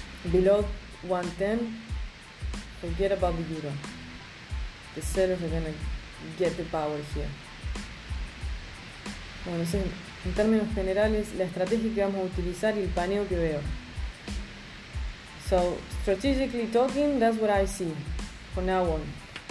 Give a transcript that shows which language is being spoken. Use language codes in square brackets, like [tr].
[en] Below 1.10, forget about the euro. The sellers are gonna get the power here. [es] Bueno, sí, en términos generales, la estrategia que vamos a utilizar y el paneo que veo. [en] So, strategically talking, that's what I see for now on.